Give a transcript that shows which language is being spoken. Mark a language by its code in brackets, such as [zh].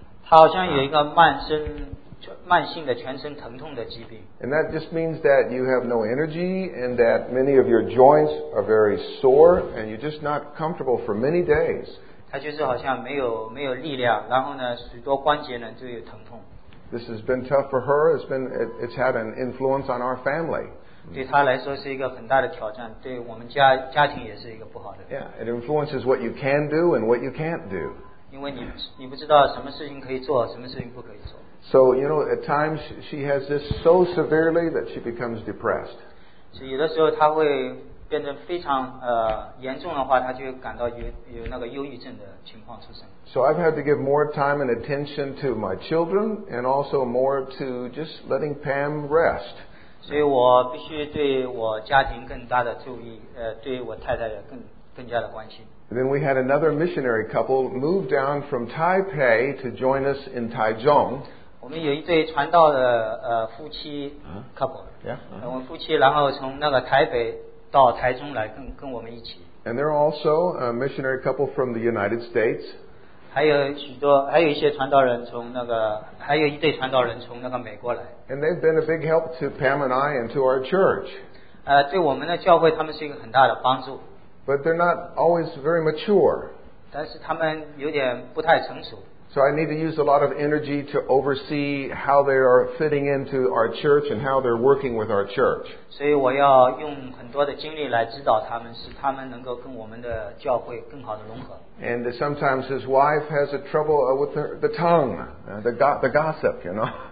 [zh] 他好像有一个慢性的全身疼痛的疾病。 [en] And that just means that you have no energy and that many of your joints are very sore and you're just not comfortable for many days. [zh] 他就是好像没有力量，然后呢，许多关节呢就有疼痛。 [en] This has been tough for her. It's had an influence on our family. [zh] 对她来说是一个很大的挑战，对我们家庭也是一个不好的。 [en] Yeah, it influences what you can do and what you can't do. [zh] 因为你不知道什么事情可以做，什么事情不可以做。 [en] So, you know, at times she has this so severely that she becomes depressed. [zh] 所以有的时候她会变得非常严重的话，她就感到有那个忧郁症的情况出现。 [en] So I've had to give more time and attention to my children and also more to just letting Pam rest. [zh] 所以我必须对我家庭更大的注意，对我太太更加的关心。 [en] And then we had another missionary couple move down from Taipei to join us in Taichung. [zh] 我们有一对传道的夫妻 couple. Uh-huh. Yeah. Uh-huh. 我们夫妻然后从那个台北到台中来跟我们一起。 [en] And they're also a missionary couple from the United States. [zh] 还有一些传道人从那个还有一对传道人从那个美国来。 [en] And they've been a big help to Pam and I and to our church. [zh] 对我们的教会他们是一个很大的帮助。 [en] But they're not always very mature. [zh] 但是他们有点不太成熟。 [en] So I need to use a lot of energy to oversee how they are fitting into our church and how they're working with our church. [zh] 所以我要用很多的精力来指导他们，使他们能够跟我们的教会更好的融合。 [en] And sometimes his wife has a trouble with the tongue, the gossip, you know.